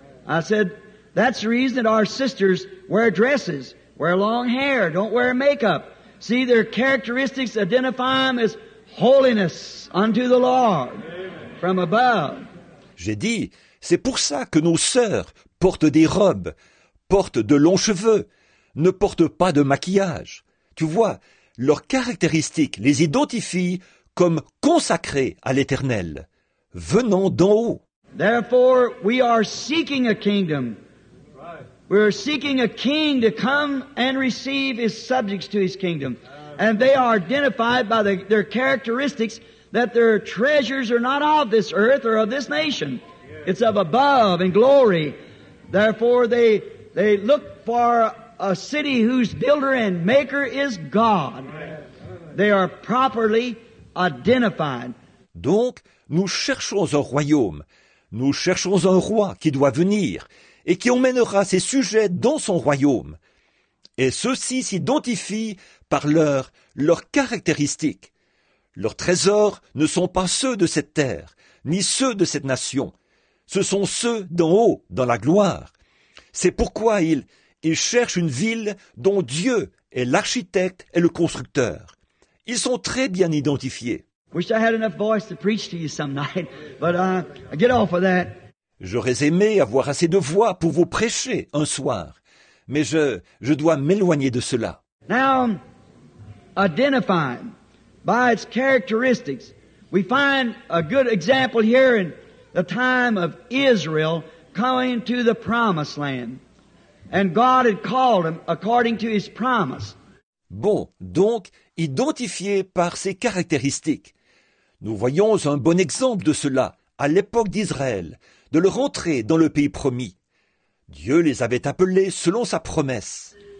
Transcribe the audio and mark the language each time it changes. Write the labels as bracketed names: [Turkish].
[English] I said, that's the reason that our sisters wear dresses, wear long hair, don't wear makeup. See, their characteristics identify them as holiness unto the Lord from above. [French] J'ai dit, c'est pour ça que nos sœurs portent des robes, portent de longs cheveux, ne portent pas de maquillage. Tu vois, leurs caractéristiques les identifient comme consacrées à l'Éternel, venant d'en haut. [English] Therefore, we are seeking a kingdom. We are seeking a king to come and receive his subjects to his kingdom. And they are identified by their characteristics that their treasures are not of this earth or of this nation. It's of above in glory. Therefore, they look for a city whose builder and maker is God. They are properly identified. [French] Donc, nous cherchons un royaume. Nous cherchons un roi qui doit venir et qui emmènera ses sujets dans son royaume. Et ceux-ci s'identifient par leurs caractéristiques. Leurs trésors ne sont pas ceux de cette terre, ni ceux de cette nation. Ce sont ceux d'en haut, dans la gloire. C'est pourquoi ils cherchent une ville dont Dieu est l'architecte et le constructeur. Ils sont très bien identifiés. [English] Wish I had enough voice to preach to you some night, but I get off of that. [French] J'aurais aimé avoir assez de voix pour vous prêcher un soir, mais je dois m'éloigner de cela. [English] Now, identifying by its characteristics, we find a good example here in the time of Israel coming to the promised land. And God had called him according to his promise. [French] Bon, donc, identifié par ses caractéristiques. Nous voyons un bon exemple de cela à l'époque d'Israël, de leur entrée dans le pays promis. Dieu les avait appelés selon sa promesse.